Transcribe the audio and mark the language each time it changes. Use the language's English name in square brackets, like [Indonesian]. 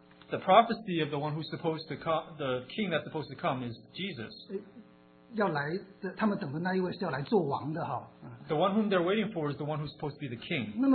[English] The prophecy of the one who's supposed to come, the king that's supposed to come, is Jesus. [Chinese] 要来的，他们等的那一位是要来做王的哈。 [English] The one whom they're waiting for is the one who's supposed to be the king.